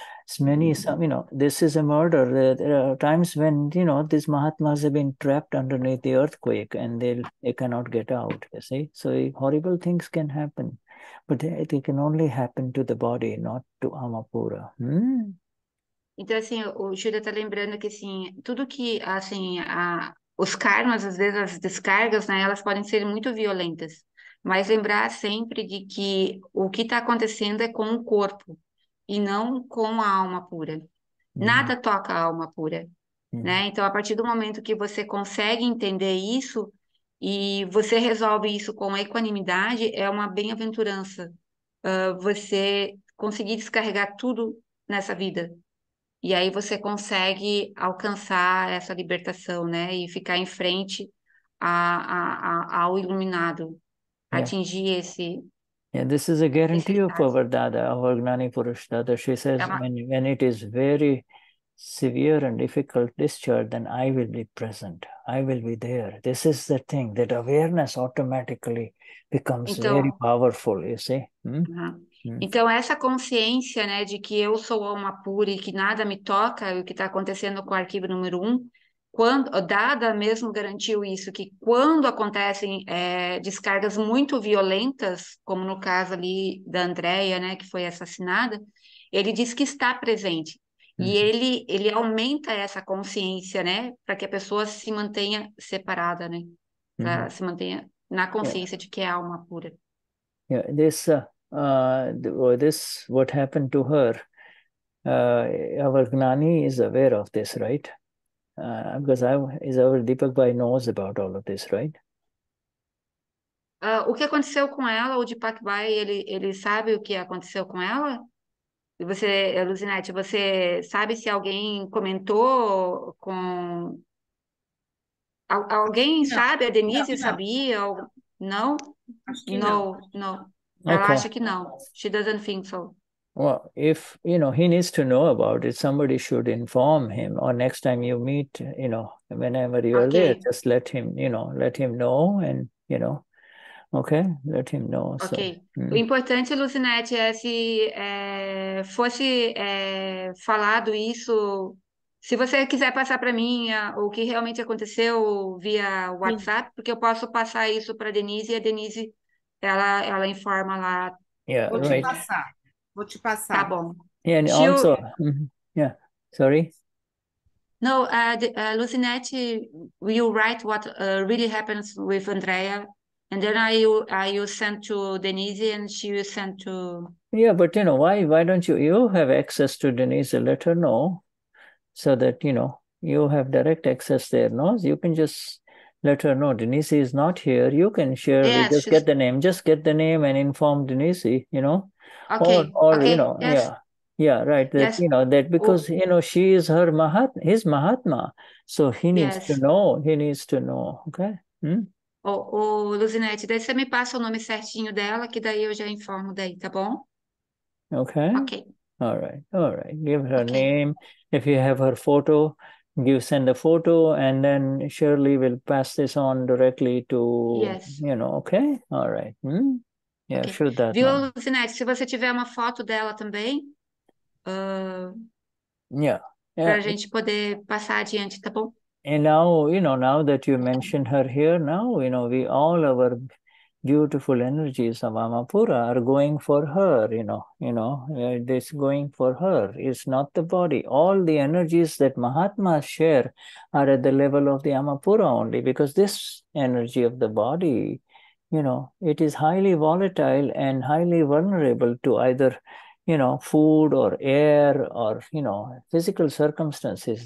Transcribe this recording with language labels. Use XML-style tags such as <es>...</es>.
<en>It's many, you know, this is a murder. There are times when, you know, these Mahatmas have been trapped underneath the earthquake and they cannot get out, you see. So horrible things can happen. But it can only happen to the body, not to Amapura.</en> <pt>Então, assim, o Shuddha está lembrando que, assim, tudo que, assim, os karmas, às vezes, as descargas, né, elas podem ser muito violentas. Mas lembrar sempre de que o que está acontecendo é com o corpo e não com a alma pura. Nada toca a alma pura. Né? Então, a partir do momento que você consegue entender isso e você resolve isso com equanimidade, é uma bem-aventurança. Você conseguir descarregar tudo nessa vida. E aí você consegue alcançar essa libertação, né? E ficar em frente ao iluminado, atingir esse...</pt> <en>Yeah, this is a guarantee of our Dada, our Gnani Purush Dada. She says, when it is very severe and difficult discharge, then I will be present. I will be there. This is the thing, that awareness automatically becomes</en> <pt>então,</pt> <en>very powerful, you see?</en> <pt>Então, essa consciência, né, de que eu sou alma pura e que nada me toca, o que está acontecendo com o arquivo número um, quando, Dada mesmo garantiu isso, que quando acontecem descargas muito violentas, como no caso ali da Andrea, né, que foi assassinada, ele diz que está presente. E ele aumenta essa consciência, né, para que a pessoa se mantenha separada, né, para se mantenha na consciência de que é alma pura.</pt> <en>What happened to her, our Gnani is aware of this, right? Because our Deepak Bhai knows about all of this, right?</en> <pt>O que aconteceu com ela, o Deepak Bhai, ele sabe o que aconteceu com ela? E você, Luzinete, você sabe se alguém comentou com... Alguém não. Sabe? A Denise não. Sabia? Ou... Não? Não.</pt> <en>Okay.</en> <pt>Ela acha que não.</pt> <en>She doesn't think so. Well, if, you know, he needs to know about it, somebody should inform him, or next time you meet, you know, whenever you're there, just let him know, and, you know, okay? Let him know. Okay. So,</en> <pt>O importante, Luzinete, é se fosse falado isso, se você quiser passar para mim o que realmente aconteceu via WhatsApp, porque eu posso passar isso para Denise, e a Denise... Ela informa lá.</pt> <en>Yeah,</en> <pt>vou</pt> <en>right.</en> <pt>te passar. Vou te passar. Tá bom.</pt> <en>Yeah, and also, yeah, sorry. No, Lucinete, you write what really happens with Andrea, and then I send to Denise, and she will send to... Yeah, but, you know, why don't you have access to Denise, let her know, so that, you know, you have direct access there, no? You can just... Let her know. Denise is not here. You can share. Yes, just get the name. Just get the name and inform Denise, you know. Okay. You know, yes. Yeah. Yeah, right. That, yes. You know, that because, you know, she is her his Mahatma. So he needs to know. He needs to know. Okay.</en> <pt>Luzinete, daí você me passa o nome certinho dela, que daí eu já informo daí, tá bom?</pt> <en>Okay. Okay. All right. Give her name. If you have her photo... You send the photo, and then Shirley will pass this on directly to, you know, okay? All right. Yeah, okay. Shuddha.</en> <pt>Viu, Luzinete, se você tiver uma foto dela também, para a gente poder passar adiante, tá bom?</pt> <en>And now, you know, now that you mentioned her here, now, you know, we all our beautiful energies of Amapura are going for her, you know, this going for her. It's not the body. All the energies that Mahatmas share are at the level of the Amapura only, because this energy of the body, you know, it is highly volatile and highly vulnerable to either, you know, food or air or, you know, physical circumstances.</en>